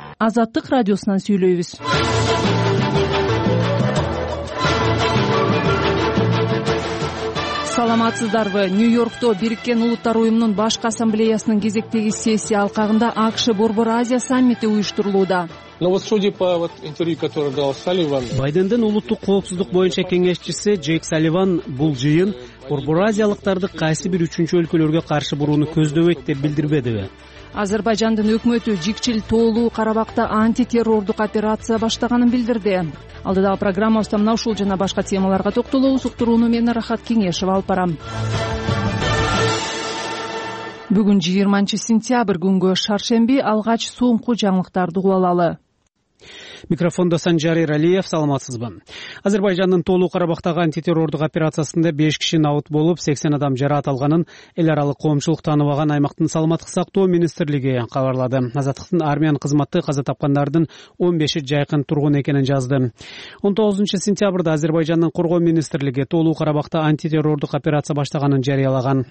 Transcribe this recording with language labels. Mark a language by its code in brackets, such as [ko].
[ky] Азаттык радиосунан сүйлөйбүз. Саламатсыздарбы? Нью-Йоркто Бириккен Улуттар Уюмунун Баш Ассамблеясынын кезектеги сессия алкагында АКШ Борбор Азия саммити уюштурулууда. [ru] Но вот судя по вот интервью, которое дал Салливан. [ky] Байдендин улуттук коопсуздук боюнча кеңешчиси Джейк Салливан бул жыйын Борбор Азиялыктарды кайсы бир үчүнчү өлкөлөргө каршы бурууну көздөбөйт деп билдирбедиби? Азербайджандын өкмөтү Жикчил Тоолуу Карабакта антитеррордук операция баштаганын билдирди. Алдыдагы программабызда мына ушул жана башка темаларга токтолобуз. Уктурууну мен Рахат Кеңешова алып барам. Бүгүн 20-сентябрь күнгө шаршемби, алгач соңку жаңылыктарды кулалалы. Микрофондо Санжар Эралиев, саламатсызбы. Азербайджандын Тоолуу Карабактагы антитеррордук операциясында 5 киши наут болуп, 80 адам жараат алганын эл аралык коомчулук тааныбаган аймактын саламаттык сактоо министрлиги кабарлады. Азаттыктын армиянын кызматы каза тапкандардын 15 жайкын тургун экенин жазды. 19-сентябрда Азербайджандын коргоо министрлиги Тоолуу Карабакта антитеррордук операция баштаганын жарыялаган.